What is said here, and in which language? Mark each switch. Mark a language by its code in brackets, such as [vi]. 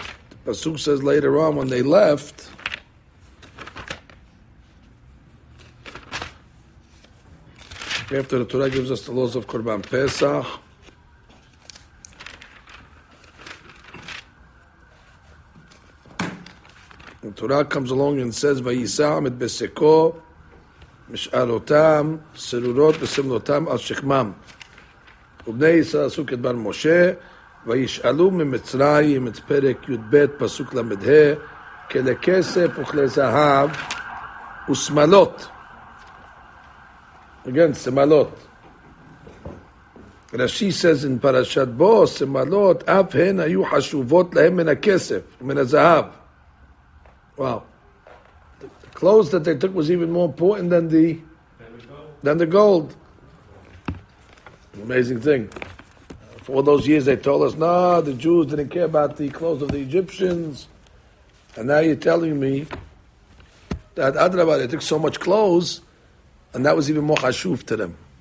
[en] The pasuk says later on when they left, after the Torah gives us the laws of Korban Pesach, the Torah comes along and says, [he] "Vayisam et beseko mishalotam serurot besimlotam al shechmam." ובני ישראל עשו כדבר משה, וישאלו ממצרים את פרק י"ב, פסוק ל"ה, כלי כסף וכלי זהב ושמלות. [en] Again, שמלות. [he] רש"י [en] says in [he] פרשת בו, שמלות אף הן היו חשובות להם מן הכסף, מן הזהב. [en] Wow. The clothes that they took was even more important than the gold. Amazing thing. for all those years they told us, no, the Jews didn't care about the clothes of the Egyptians. And now you're telling me that Adrabah, they took so much clothes, and that was even more chashuv to them.